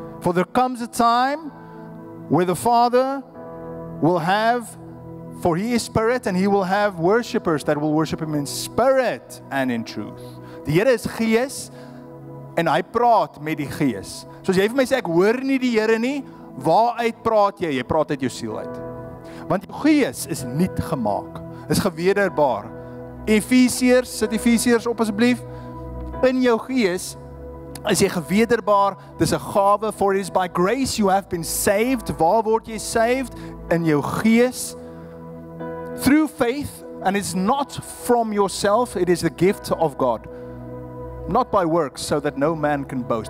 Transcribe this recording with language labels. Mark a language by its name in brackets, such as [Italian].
[English] For there comes a time where the Father will have, for He is spirit, and He will have worshippers that will worship Him in spirit and in truth. [Afrikaans] Die Here is gees, en hy praat met die gees. So as jy vir my sê, ek hoor nie die Here nie, waaruit praat jy? Jy praat uit jou siel uit. Want jou gees is nuut gemaak. Is gewederbaar. Efesiërs, sit Efesiërs op asseblief. In jou gees is jy gewederbaar. Dis 'n gawe. [English] For it is by grace you have been saved. [Afrikaans] Waar word jy saved? In jou gees. [English] Through faith, and it's not from yourself, it is the gift of God. Not by works, so that no man can boast.